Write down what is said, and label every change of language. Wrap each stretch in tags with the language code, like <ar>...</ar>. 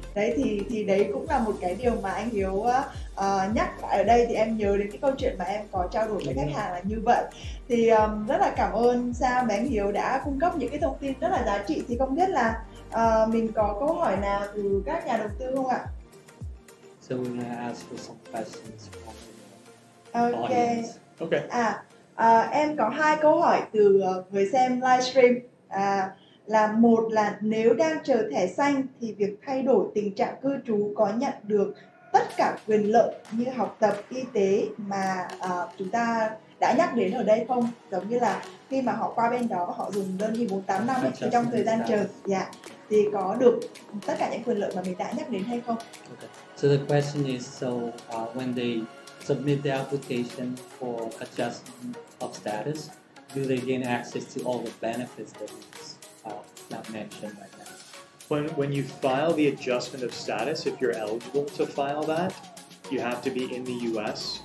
<vi>Đấy thì đấy cũng là một cái điều mà anh Hiếu nhắc lại ở đây. Thì em nhớ đến cái câu chuyện mà em có trao đổi với khách hàng là như vậy. Thì rất là cảm ơn Sam và anh Hiếu đã cung cấp những cái thông tin rất là giá trị. Thì không biết là mình có câu hỏi nào từ các nhà đầu tư không ạ?</vi> <en>So we're gonna ask for some questions from the audience. Okay.</en> <vi>Em có hai câu hỏi từ người xem livestream. Là một là nếu đang chờ thẻ xanh thì việc thay đổi tình trạng cư trú có nhận được tất cả quyền lợi như học tập, y tế mà chúng ta đã nhắc đến ở đây không? Giống như là khi mà họ qua bên đó họ dùng đơn đi 48 năm thì trong thời gian chờ, thì có được tất cả những quyền lợi mà mình đã nhắc đến hay không?</vi> <en>Okay. So the question is, so when they submit the application for adjustment of status, do they gain access to all the benefits that is not mentioned right now? When you file the adjustment of status, if you're eligible to file that, you have to be in the U.S.</en>